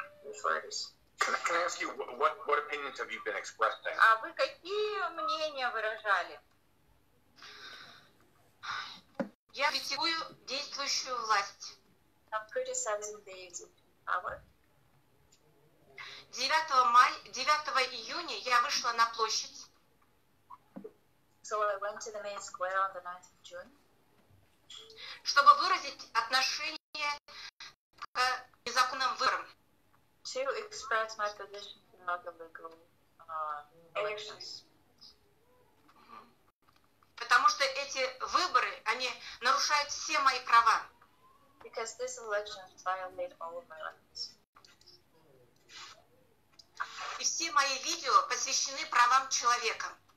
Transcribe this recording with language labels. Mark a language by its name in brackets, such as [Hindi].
[English] Can I ask you what opinions have you been expressed? [Russian] А вы какие мнения выражали? Я критикую действующую власть. [English] I'm criticizing the existing power. [Russian] 9 июня я вышла на площадь. [English] So I went to the main square on the 9th of June. [Russian] Чтобы выразить отношение к незаконным выборам. [English] To express my position to not the legal elections. [Russian] Потому что эти выборы, они нарушают все мои права. [English] Because this election violates all of my rights. [Russian] И все мои видео посвящены правам человека.